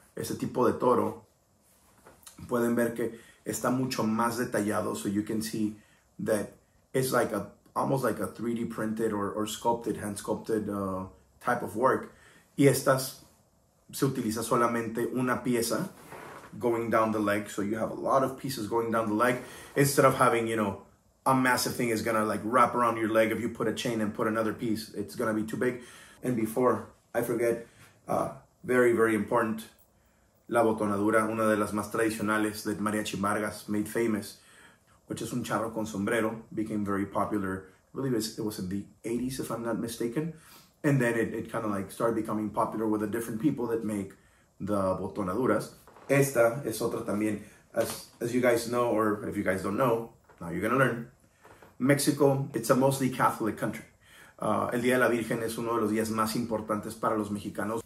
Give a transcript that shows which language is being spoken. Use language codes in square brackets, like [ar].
[es] Ese tipo de toro, pueden ver que está mucho más detallado. [en] So you can see that it's like a, almost like a 3D printed or sculpted, hand sculpted type of work. [es] Y estas se utiliza solamente una pieza [en] going down the leg. So you have a lot of pieces going down the leg instead of having, you know, a massive thing is gonna like wrap around your leg. If you put a chain and put another piece, it's gonna be too big. And before I forget, very, very important, [es] la botonadura, una de las más tradicionales [en] that Mariachi Vargas made famous, which is [es] un charro con sombrero, [en] became very popular. I believe it was in the 80s, if I'm not mistaken. And then it kind of like started becoming popular with the different people that make the botonaduras. [es] Esta es otra también. [en] As you guys know, or if you guys don't know, now you're gonna learn. Mexico, it's a mostly Catholic country. [es] El Día de la Virgen es uno de los días más importantes para los mexicanos.